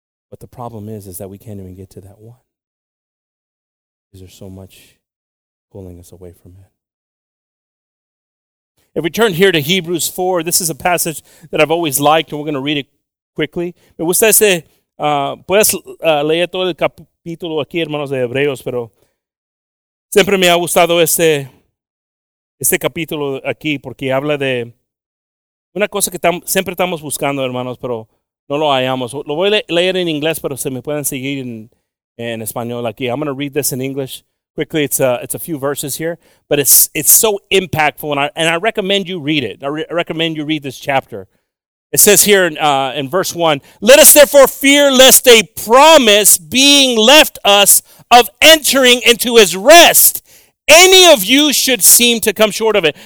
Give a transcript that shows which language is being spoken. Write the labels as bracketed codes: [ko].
[en] But the problem is that we can't even get to that one. Because there's so much pulling us away from it. If we turn here to Hebrews 4, this is a passage that I've always liked, and we're going to read it quickly. [es] Me gusta ese, puedes leer todo el capítulo aquí, hermanos de Hebreos, pero siempre me ha gustado este capítulo aquí, porque habla de una cosa que siempre estamos buscando, hermanos, pero no lo hallamos. Lo voy a leer en inglés, pero se me pueden seguir en español aquí. [en] I'm going to read this in English quickly. It's a few verses here, but it's so impactful, and I recommend you read it. I recommend you read this chapter. It says here in verse 1, "Let us therefore fear lest a promise being left us of entering into his rest, any of you should seem to come short of it."